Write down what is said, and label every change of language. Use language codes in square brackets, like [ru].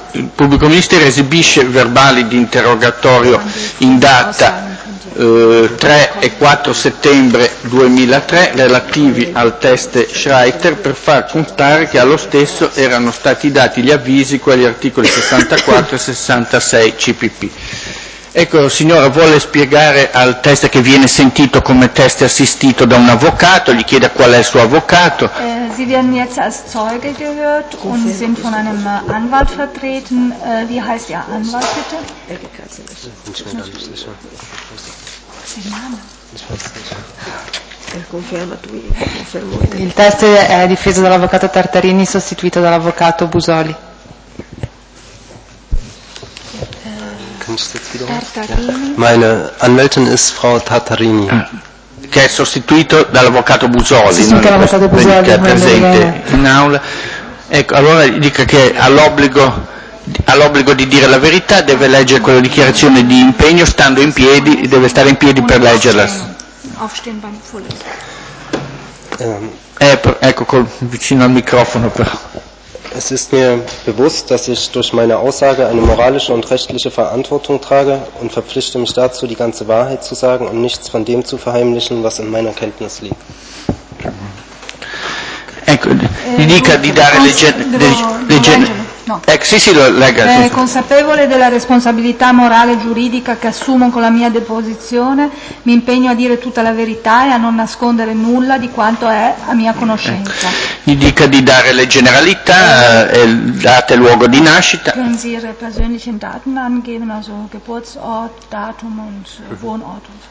[it] Il pubblico ministero esibisce verbali di interrogatorio in data 3 e 4 settembre 2003 relativi al test Schreiter per far contare che allo stesso erano stati dati gli avvisi, quegli articoli 64 e 66 CPP. Ecco, signora, vuole spiegare al test che viene sentito come test assistito da un avvocato, gli chiede qual è il suo avvocato. [de] Sie werden jetzt als Zeuge gehört und sind von einem Anwalt vertreten. Wie heißt Ihr Anwalt bitte? [it] Il test è difeso dall'avvocato Tartarini, sostituito dall'avvocato Busoli. [de] Meine Anwältin ist Frau Tartarini. [it] Che è sostituito dall'avvocato Busoli, sì, no? Busoli che è presente in aula. Ecco, allora dica che ha l'obbligo di dire la verità, deve leggere quella dichiarazione di impegno stando in piedi, deve stare in piedi per leggerla. Ecco, vicino al microfono però. [de] Es ist mir bewusst, dass ich durch meine Aussage eine moralische und rechtliche Verantwortung trage und verpflichte mich dazu, die ganze Wahrheit zu sagen und nichts von dem zu verheimlichen, was in meiner Kenntnis liegt. [it] Ecco, gli dica di dare consapevole della responsabilità morale e giuridica che assumo con la mia deposizione, mi impegno a dire tutta la verità e a non nascondere nulla di quanto è a mia conoscenza. Ecco, gli dica di dare le generalità, date e luogo di nascita. [de] Können Sie Ihre persönlichen Daten angeben, also Geburtsort, Datum und Wohnort?